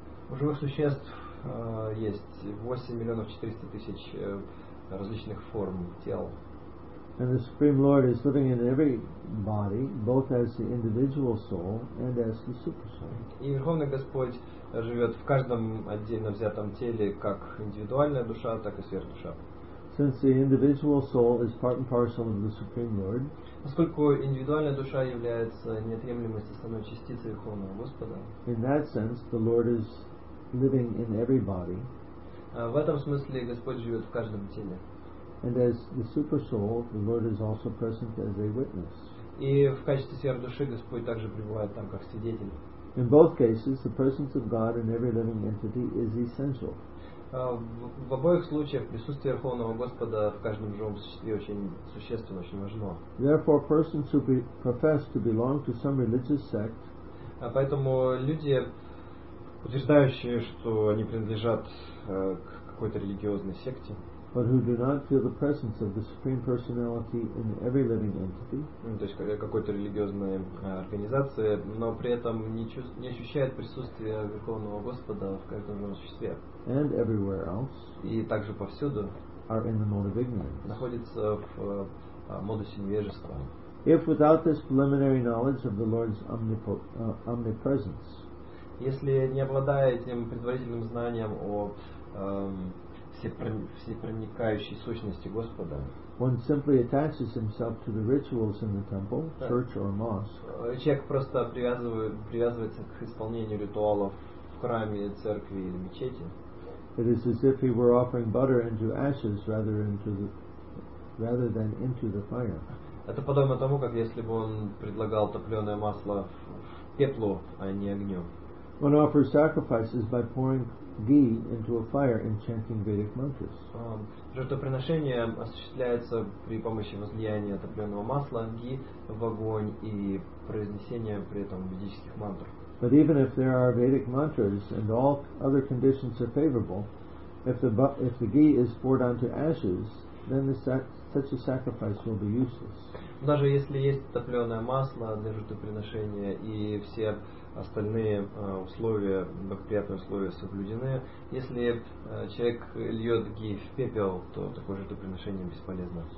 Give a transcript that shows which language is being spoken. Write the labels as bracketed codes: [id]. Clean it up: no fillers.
[ru] У живых существ есть 8,400,000 различных форм тел. [en] And the Supreme Lord is living in every body, both as the individual soul and as the super soul. [ru] И Верховный Господь живет в каждом отдельно взятом теле как индивидуальная душа, так и сверхдуша. [en] Since the individual soul is part and parcel of the Supreme Lord, [ru] поскольку индивидуальная душа является неотъемлемой составной частицей Верховного Господа, [en] in that sense, the Lord is living in every body. [ru] В этом смысле Господь живет в каждом теле. [en] And as the super soul, the Lord is also present as a witness. [ru] И в качестве сверхдуши Господь также пребывает там как свидетель. [en] In both cases, the presence of God in every living entity is essential. [ru] В обоих случаях присутствие Верховного Господа в каждом живом существе очень существенно, очень важно. [en] Therefore, persons who profess to belong to some religious sect, [ru] поэтому люди, утверждающие, что они принадлежат к какой-то религиозной секте, [en] but who do not feel the presence of the Supreme Personality in every living entity, [ru] то есть какой-то религиозной организации, но при этом не ощущает присутствие Верховного Господа в каждом живом существе, [en] and everywhere else, [ru] и также повсюду, [en] are in the mode of ignorance, [ru] находится в модусе невежества. [en] If without this preliminary knowledge of the Lord's omnipresence, [ru] если не обладая этим предварительным знанием о всепроникающей сущности Господа, [en] one simply attaches himself to the rituals in the temple, church or mosque, [ru] человек просто привязывается к исполнению ритуалов в храме, церкви или мечети, [en] it is as if he were offering butter into ashes rather than into the fire. [ru] Это подобно тому, как если бы он предлагал топленое масло в пеплу, а не огню. [en] One offers sacrifices by pouring ghee into a fire and chanting Vedic mantras. [ru] Жертвоприношение осуществляется при помощи возлияния топленого масла ги в огонь и произнесения при этом ведических мантр. [en] But even if there are Vedic mantras and all other conditions are favorable, if the ghee is poured onto ashes, then such a sacrifice will be useless. [ru] Даже если есть топленое масло для жертвоприношения и все остальные условия, благоприятные условия соблюдены, если человек льет ги в пепел, то такое жертвоприношение бесполезно.